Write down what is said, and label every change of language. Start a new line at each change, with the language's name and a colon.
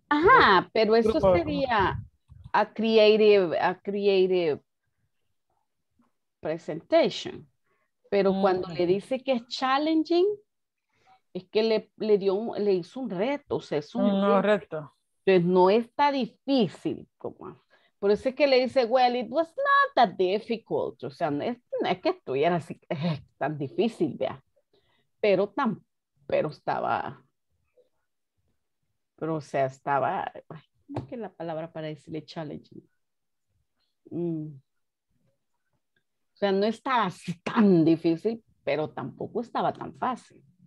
Spanish: Ajá, pero eso sería
English: a creative presentation.
Spanish: Pero cuando le dice que es challenging, es que le hizo un reto. O sea, es un reto. Entonces no está difícil. Como... Por eso es que le dice,
English: well, it was not that difficult.
Spanish: O sea, no es que estuviera así tan difícil, vea, pero estaba, ¿cómo es que la palabra para decirle challenging? O sea, no estaba así tan difícil, pero tampoco estaba tan fácil.